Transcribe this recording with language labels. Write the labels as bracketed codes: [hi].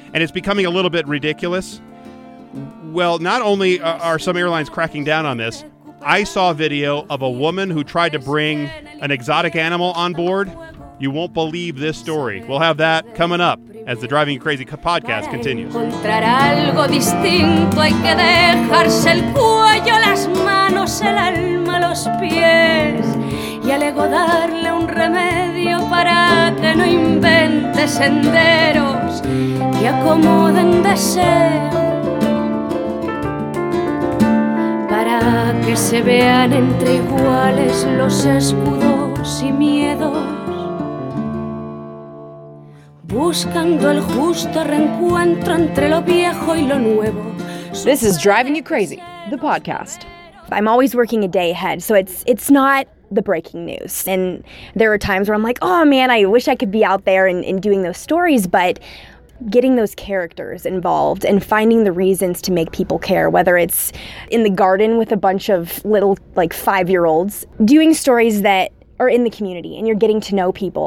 [en] And it's becoming a little bit ridiculous. Well, not only are some airlines cracking down on this, I saw a video of a woman who tried to bring an exotic animal on board. You won't believe this story. We'll have that coming up as the Driving You Crazy podcast continues. [es] Encontrar algo distinto, hay que dejarse el cuello, las manos, el alma, los pies. Y al ego darle un remedio para que no invente senderos que acomoden deseos. Para que se vean entre iguales los escudos y miedos. Buscando el justo reencuentro entre lo viejo y lo nuevo. [en] This is Driving You Crazy, the podcast. I'm always working a day ahead, so it's not the breaking news. And there are times where I'm like, oh man, I wish I could be out there and doing those stories, but getting those characters involved and finding the reasons to make people care, whether it's in the garden with a bunch of little like 5-year-olds, doing stories that are in the community and you're getting to know people.